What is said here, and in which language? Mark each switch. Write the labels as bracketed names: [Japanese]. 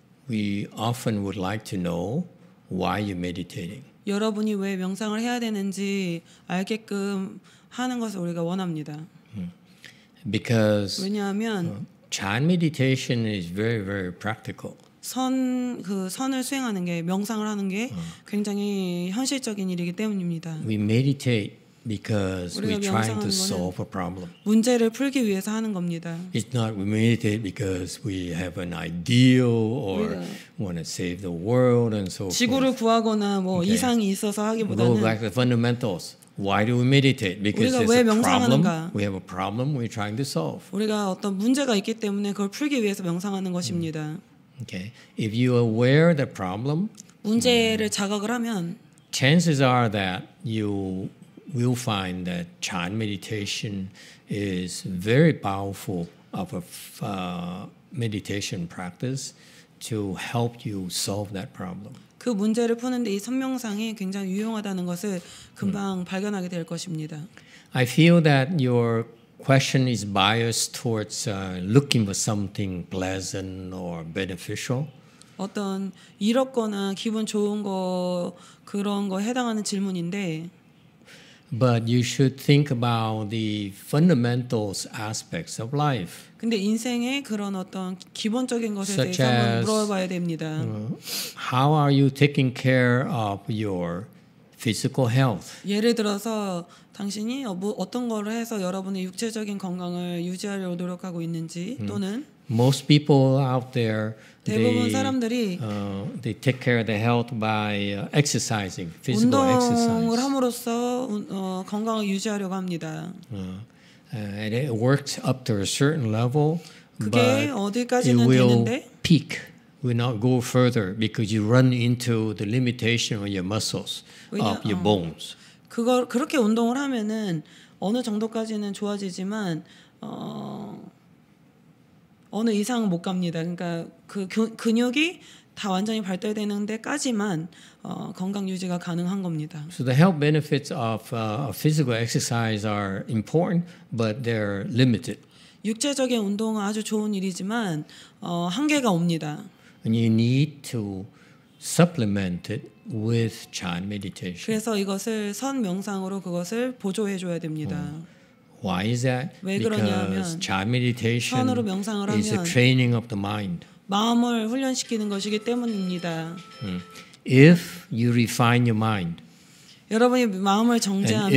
[English] we often would like to know why you're meditating. [Korean] 여러분이 왜 명상을 해야 되는지 알게끔 하는 것을 우리가 원합니다. [English] Because [Korean] 왜냐하면 [English] Chan meditation is very, very practical. [Korean] 선을 수행하는 게 명상을 하는 게 굉장히 현실적인 일이기 때문입니다. [English] We meditate because we're trying to solve a problem. [Korean] 문제를 풀기 위해서 하는 겁니다. [English] It's not we meditate because we have an ideal or want to save the world and so forth. [Korean] 지구를 구하거나 뭐 [English] okay. [Korean] 이상이 있어서 하기보다는 [English] Go back to the fundamentals. Why do we meditate? Because there's a problem. We have a problem we're trying to solve. [Korean] 우리가 어떤 문제가 있기 때문에 그걸 풀기 위해서 명상하는 것입니다. [English] Okay. If you are aware of the problem, [Korean] 문제를 자각을 하면 [English] chances are that you will find that chan meditation is very powerful of a meditation practice to help you solve that problem. [Korean] 그 문제를 푸는 데 이 선명상이 굉장히 유용하다는 것을 금방 발견하게 될 것입니다. [English] I feel that your question is biased towards looking for something pleasant or beneficial. [Korean] 어떤 이렇거나 기분 좋은 거 그런 거 해당하는 질문인데 [English] But you should think about the fundamental aspects of life. [Korean] 근데 인생의 그런 어떤 기본적인 것에 대해서 한번 물어봐야 됩니다. [English] How are you taking care of your physical health? [Korean] 예를 들어서 당신이 어떤 걸 해서 여러분의 육체적인 건강을 유지하려고 노력하고 있는지 또는 [English] Most people out there [Korean] 대부분 사람들이 [English] they take care of their health by exercising, physical [Korean] 운동을 [English] exercise. [Korean] 운동을 함으로써 건강을 유지하려고 합니다. [English] And it works up to a certain level, [Korean] 그게 어디까지는 [English] it will [Korean] 되는데 [English] peak will not go further because you run into the limitation of your muscles, of your bones. [Korean] 그걸 그렇게 운동을 하면은 어느 정도까지는 좋아지지만 어느 이상은 못 갑니다. 그러니까 그 근육이 다 완전히 발달되는 데까지만 건강 유지가 가능한 겁니다. [English] So the health benefits of physical exercise are important, but they're limited. [Korean] 육체적인 운동은 아주 좋은 일이지만 한계가 옵니다. [English] And you need to supplement it with chan meditation. [Korean] 그래서 이것을 선 명상으로 그것을 보조해 줘야 됩니다. [English] Why is that? [Korean] 왜 그러냐면 [English] Because chan meditation is a training of the mind. [Korean] 마음을 훈련시키는 것이기 때문입니다. [English] If you refine your mind, [Korean] 여러분이 마음을 정제하면,